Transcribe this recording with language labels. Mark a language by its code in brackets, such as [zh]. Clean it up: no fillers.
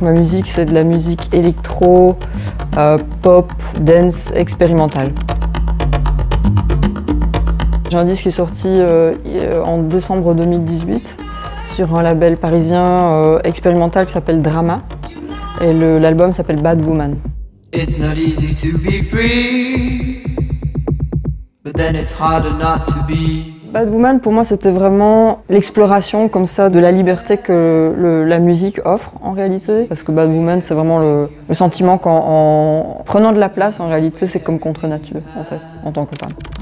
[fr] Ma musique, c'est de la musique électro, pop, dance, expérimentale. J'ai un disque qui est sorti en décembre 2018 sur un label parisien expérimental qui s'appelle Drama. Et l'album s'appelle Bad Woman. [en] It's not easy to be free, but then it's harder not to be. [fr] Bad Woman, pour moi, c'était vraiment l'exploration comme ça de la liberté que la musique offre en réalité. Parce que Bad Woman, c'est vraiment le sentiment qu'en prenant de la place, en réalité, c'est comme contre nature, en fait, en tant que femme.